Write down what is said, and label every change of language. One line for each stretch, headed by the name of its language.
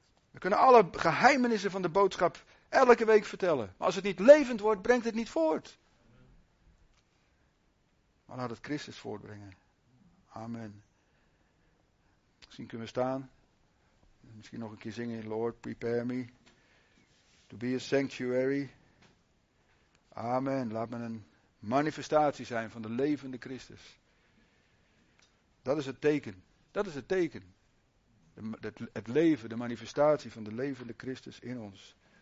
Dutch: We kunnen alle geheimenissen van de boodschap elke week vertellen. Maar als het niet levend wordt, brengt het niet voort. Maar laat het Christus voortbrengen. Amen. Misschien kunnen we staan. Misschien nog een keer zingen.
English: Lord, prepare me to be a sanctuary.
Dutch: Amen. Laat me een manifestatie zijn van de levende Christus. Dat is het teken. Dat is het teken. Het leven, de manifestatie van de levende Christus in ons.